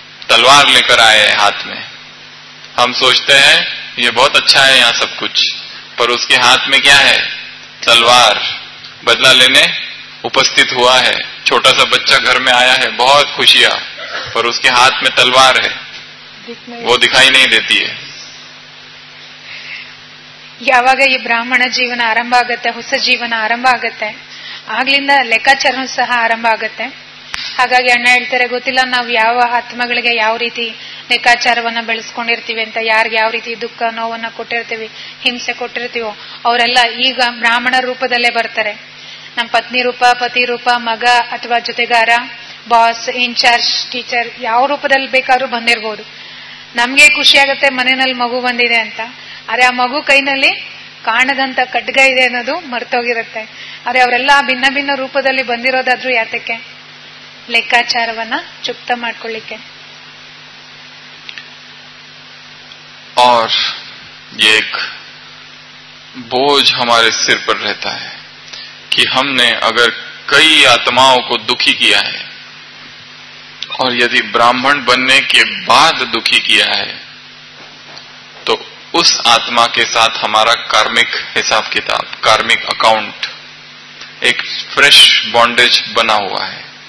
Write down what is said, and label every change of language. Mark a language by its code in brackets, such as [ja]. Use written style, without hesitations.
[hi] तलवार लेकर आए हैं हाथ में। हम सोचते हैं ये बहुत अच्छा है यहाँ सब कुछ, पर उसके हाथ में क्या है? तलवार। बदला लेने उपस्थित हुआ है, छोटा सा बच्चा घर में आया है, बहुत खुशियां, पर उसके हाथ में तलवार है, वो दिखाई नहीं देती है। [kn] ಯಾವಾಗ ಈ ಬ್ರಾಹ್ಮಣ ಜೀವನ ಆರಂಭ ಆಗುತ್ತೆ, ಹೊಸ ಜೀವನ ಆರಂಭ ಆಗುತ್ತೆ, ಆಗ್ಲಿಂದ ಲೆಕ್ಕಾಚಾರ ಸಹ ಆರಂಭ ಆಗುತ್ತೆ. ಹಾಗಾಗಿ ಅಣ್ಣ ಹೇಳ್ತಾರೆ, ಗೊತ್ತಿಲ್ಲ ನಾವು ಯಾವ ಆತ್ಮಗಳಿಗೆ ಯಾವ ರೀತಿ ಲೆಕ್ಕಾಚಾರವನ್ನ ಬೆಳೆಸ್ಕೊಂಡಿರ್ತೀವಿ ಅಂತ, ಯಾರಿಗೆ ಯಾವ ರೀತಿ ದುಃಖ ನೋವನ್ನ ಕೊಟ್ಟಿರ್ತೀವಿ, ಹಿಂಸೆ ಕೊಟ್ಟಿರ್ತೀವೋ, ಅವರೆಲ್ಲ ಈಗ ಬ್ರಾಹ್ಮಣ ರೂಪದಲ್ಲೇ ಬರ್ತಾರೆ. ನಮ್ಮ ಪತ್ನಿ ರೂಪ, ಪತಿ ರೂಪ, ಮಗ ಅಥವಾ ಜೊತೆಗಾರ, ಬಾಸ್, ಇನ್ಚಾರ್ಜ್, ಟೀಚರ್, ಯಾವ ರೂಪದಲ್ಲಿ ಬೇಕಾದ್ರೂ ಬಂದಿರಬಹುದು. ನಮ್ಗೆ ಖುಷಿಯಾಗುತ್ತೆ ಮನೆಯಲ್ಲಿ ಮಗು ಬಂದಿದೆ ಅಂತ, ಆದ್ರೆ ಆ ಮಗು ಕೈನಲ್ಲಿ ಕಾಣದಂತ ಖಡ್ಗ ಇದೆ ಅನ್ನೋದು ಮರ್ತೋಗಿರುತ್ತೆ. ಆದ್ರೆ ಅವರೆಲ್ಲ ಭಿನ್ನ ಭಿನ್ನ ರೂಪದಲ್ಲಿ ಬಂದಿರೋದಾದ್ರೂ ಯಾತಕ್ಕೆ ಲೆಕ್ಕಾಚಾರವನ್ನ ಚುಪ್ತ ಮಾಡ್ಕೊಳ್ಳಿಕ್ಕೆ? [hi] और ये एक बोझ हमारे सिर पर रहता है कि हमने अगर कई आत्माओं को दुखी किया है, और यदि ब्राह्मण बनने के बाद दुखी किया है, तो उस आत्मा के साथ हमारा कार्मिक हिसाब किताब, कार्मिक अकाउंट, एक फ्रेश बॉन्डेज बना हुआ है।